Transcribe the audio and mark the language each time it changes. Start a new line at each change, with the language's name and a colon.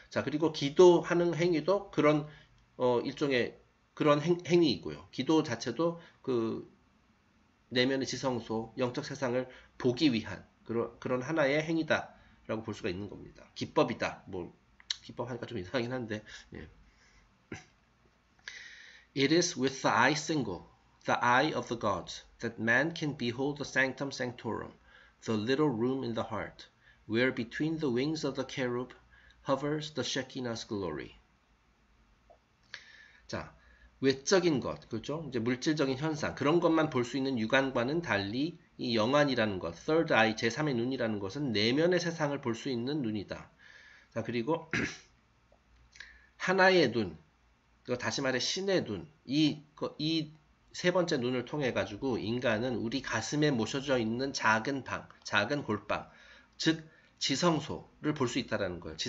Korean: 자, 그리고 기도하는 행위도 그런, 일종의 그런 행위이고요. 기도 자체도 그 내면의 지성소, 영적 세상을 보기 위한 그런 하나의 행위다라고 볼 수가 있는 겁니다. 기법이다. 뭐 기법 하니까 좀 이상하긴 한데. 예.
English: It is with the eye single, the eye of the gods, that man can behold the sanctum sanctorum, the little room in the heart, where between the wings of the cherub hovers the Shekinah's glory.
Korean: 자. 외적인 것, 그렇죠? 이제 물질적인 현상, 그런 것만 볼수 있는 육안과는 달리 이 영안이라는 것, third eye, 제3의 눈이라는 것은 내면의 세상을 볼수 있는 눈이다. 자, 그리고 하나의 눈, 다시 말해 신의 눈, 이세 번째 눈을 통해 가지고 인간은 우리 가슴에 모셔져 있는 작은 방, 작은 골방, 즉 지성소를 볼수 있다라는 거예요.